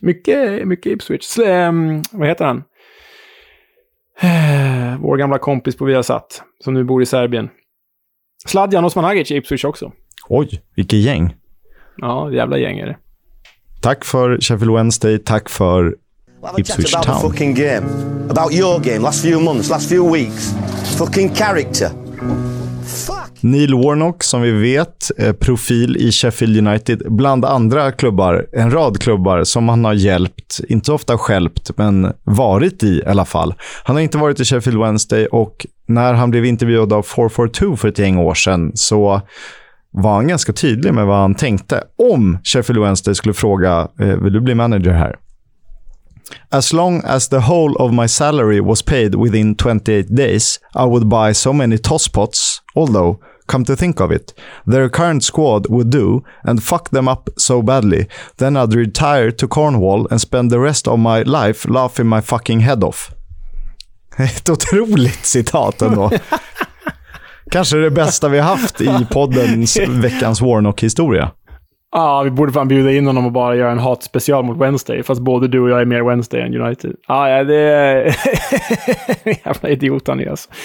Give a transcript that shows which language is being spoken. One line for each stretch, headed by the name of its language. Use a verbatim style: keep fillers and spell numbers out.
Swedish: Mycket, mycket Ipswich. Sl- eh, vad heter han? Eh, vår gamla kompis på Viasat, som nu bor i Serbien. Sladjan Osmanagic är Ipswich också. Oj, vilket gäng. Ja, jävla gäng är det. Tack för Sheffield Wednesday, tack för
English: We'll have a chat about the fucking game, about your game, last few months, last few weeks, fucking character. Fuck.
Swedish: Neil Warnock, som vi vet, profil i Sheffield United, bland andra klubbar, en rad klubbar som han har hjälpt, inte ofta skälpt, men varit i i alla fall. Han har inte varit i Sheffield Wednesday, och när han blev intervjuad av four forty-two för ett gäng år sedan så var han ganska tydlig med vad han tänkte. Om Sheffield Wednesday skulle fråga, vill du bli manager här?
English: As long as the whole of my salary was paid within twenty-eight days, I would buy so many tosspots, although, come to think of it, their current squad would do and fuck them up so badly, then I'd retire to Cornwall and spend the rest of my life laughing my fucking head off.
Swedish: Ett otroligt citat ändå. Kanske det bästa vi haft i poddens veckans Warnock-historia. Ja, ah, vi borde fan bjuda in honom och bara göra en hatspecial mot Wednesday. Fast både du och jag är mer Wednesday än United. Ah, ja, det är jävla idiot han är alltså.